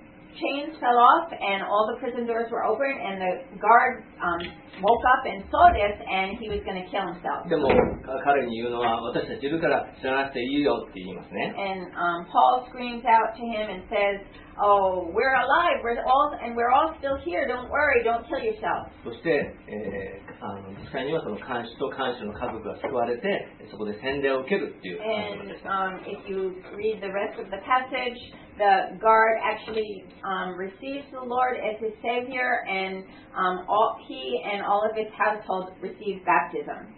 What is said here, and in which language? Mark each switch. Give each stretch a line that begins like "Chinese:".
English: Chains fell off and all the prison doors were open, and the guard woke up and saw this, and he was going to kill himself.
Japanese: でも彼に言うのは、私たちいるから死ななくていいよって言いますね。
English: And Paul screams out to him and says, "Oh, we're alive. We're all still here. Don't worry. Don't kill yourself."
Japanese: そして、実際にはその看守と看守の家族が救われて、そこで洗礼を受けるっていう。
English: And if you read the rest of the passage. The guard actually receives the Lord as his savior, and he and all of his household receive baptism.